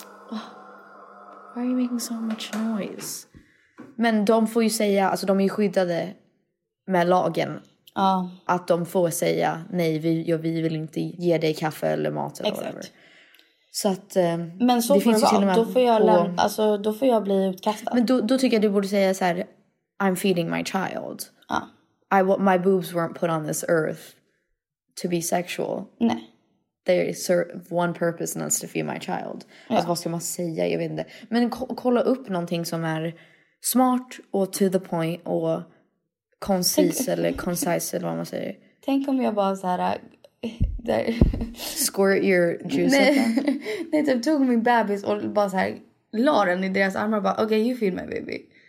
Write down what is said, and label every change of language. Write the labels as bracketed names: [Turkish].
[English] Oh, why are you making so much noise? [Swedish] Men de får ju säga, alltså de är ju skyddade med lagen. Ja. Oh. Att de får säga, nej, vi vill inte ge dig kaffe eller mat eller whatever. Så att, men så det finns det ju då får jag alltså då får jag bli utkastad. Men då tycker jag du borde säga så här, [English] I'm feeding my child. [Swedish] Ja. [English] My boobs weren't put on this earth to be sexual. [Swedish] Nej. [English] They serve one purpose and that's to feed my child. [Swedish] Ja. Alltså, vad ska man säga? Jag vet inte. Men kolla upp någonting som är smart och [English] to the point [Swedish] och concise eller concise eller vad man säger. Tänk om jag bara så här där. [English] Squirt your juice. [Swedish] Nej, typ tog min bebis och bara så här la den i deras armar och bara okej, [English] you feel my baby.